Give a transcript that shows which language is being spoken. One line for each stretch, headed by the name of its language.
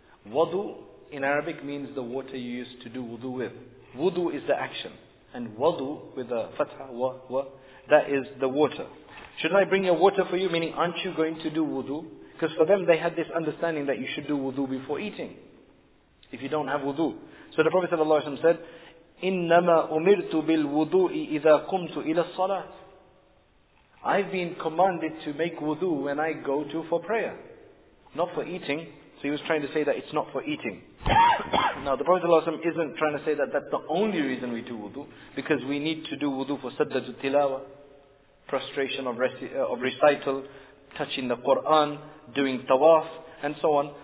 English: Wudu in Arabic means the water you use to do wudu with. Wudu is the action. And wadu with a fatha, wa, that is the water. Shouldn't I bring your water for you? Meaning, aren't you going to do wudu? Because for them, they had this understanding that you should do wudu before eating. If you don't have wudu. So the Prophet ﷺ said,
Arabic: إِنَّمَا أُمِرْتُ بِالْوُضُوءِ إِذَا قُمْتُ إِلَى الصَّلَاةِ.
English: I've been commanded to make wudu when I go to for prayer. Not for eating. So he was trying to say that it's not for eating. Now the Prophet ﷺ isn't trying to say that that's the only reason we do wudu. Because we need to do wudu for سَدَّةُ tilawa, prostration of recital, touching the Qur'an, doing tawaf, and so on.